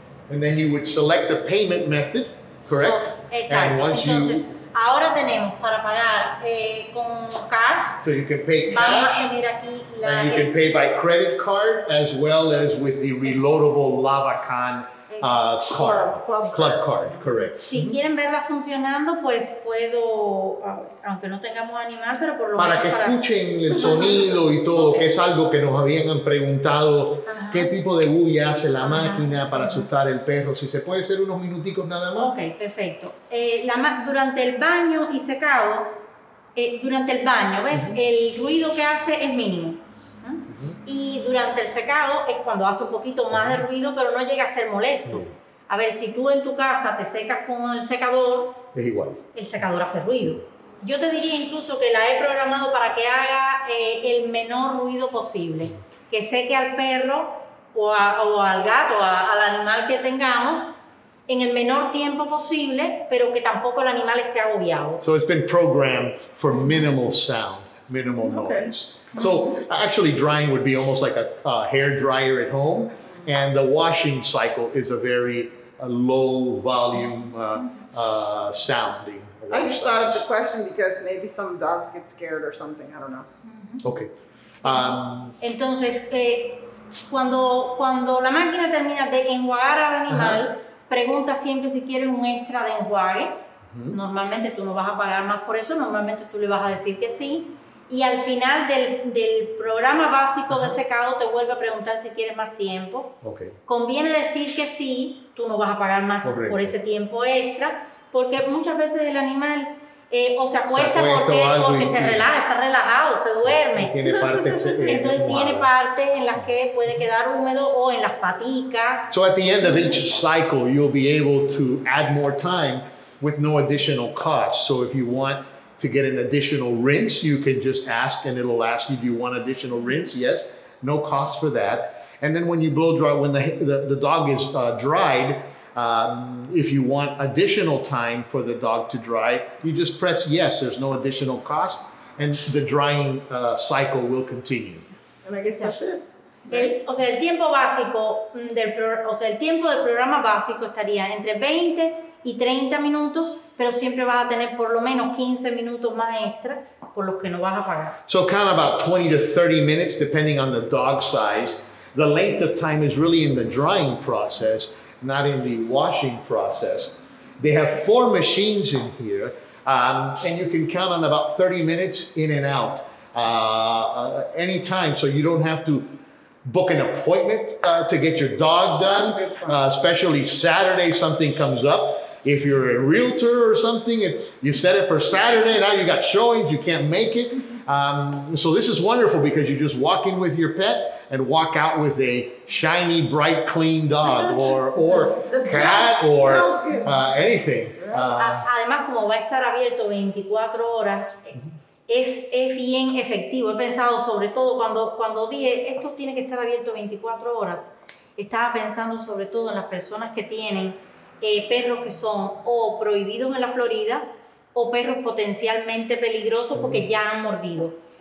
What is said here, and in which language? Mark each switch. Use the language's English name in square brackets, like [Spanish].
[English] And then you would select a payment method, correct? [Spanish] Exacto. [English] And once [Spanish] entonces, [English] you... [Spanish] ahora tenemos para pagar con cash. [English] So you can pay cash. [Spanish] Vamos a tener aquí la [English] and you can pay by credit card as well as with the reloadable Lavacan. Club card, correct. [Spanish] Si quieren verla funcionando, pues puedo, aunque no tengamos animal, pero por lo menos para que escuchen el sonido y todo, que es algo que nos habían preguntado, qué tipo de bulla hace la máquina para asustar el perro, si se puede hacer unos minuticos nada más. Okay, perfecto. Durante el baño y secado, durante el baño, ¿ves? El ruido que hace es mínimo. Y durante el secado es cuando hace un poquito más de ruido, pero no llega a ser molesto. A ver, si tú en tu casa te secas con el secador, es igual. El secador hace ruido. Yo te diría incluso que la he programado para que haga el menor ruido posible. Que seque al perro o al gato, al animal que tengamos, en el menor tiempo posible, pero que tampoco el animal esté agobiado. [English] So it's been programmed for minimal sound, minimal noise. Okay. So actually drying would be almost like a hair dryer at home. And the washing cycle is a very low volume sounding. I just thought of the question because maybe some dogs get scared or something, I don't know. Mm-hmm. Okay. [Spanish] Entonces, cuando la máquina termina de enjuagar al animal, pregunta siempre si quieres un extra de enjuague. Normalmente tú no vas a pagar más por eso, normalmente tú le vas a decir que sí. Y al final del programa básico de secado te vuelve a preguntar si quieres más tiempo. [English] Okay. [Spanish] Conviene decir que sí, tú no vas a pagar más por ese tiempo extra, porque muchas veces el animal o se acuesta porque se relaja, está relajado, se duerme. Tiene parte entonces tiene partes en las que puede quedar húmedo o en las paticas. [English] So at the end of each cycle, you'll be able to add more time with no additional cost. So if you want to get an additional rinse, you can just ask and it'll ask you, do you want additional rinse? Yes, no cost for that. And then when you blow dry, when the dog is dried, if you want additional time for the dog to dry, you just press yes, there's no additional cost, and the drying cycle will continue. And I guess that's it. [Spanish] El tiempo básico del el tiempo del programa básico estaría entre 20 y 30 minutos, pero siempre vas a tener por lo menos 15 minutos más extra por los que no vas a pagar. [English] So kind of about 20 to 30 minutes, depending on the dog size. The length of time is really in the drying process, not in the washing process. They have four machines in here, and you can count on about 30 minutes in and out any time, so you don't have to book an appointment to get your dog done, especially Saturday, something comes up. If you're a realtor or something, you set it for Saturday, now you got showings, you can't make it. So this is wonderful because you just walk in with your pet and walk out with a shiny, bright, clean dog or cat or anything. [Spanish] Además, como va a estar abierto 24 horas, es bien efectivo. He pensado sobre todo cuando dije, esto tiene que estar abierto 24 horas. Estaba pensando sobre todo en las personas que tienen perros que son o prohibidos en la Florida o perros potencialmente peligrosos porque ya han mordido.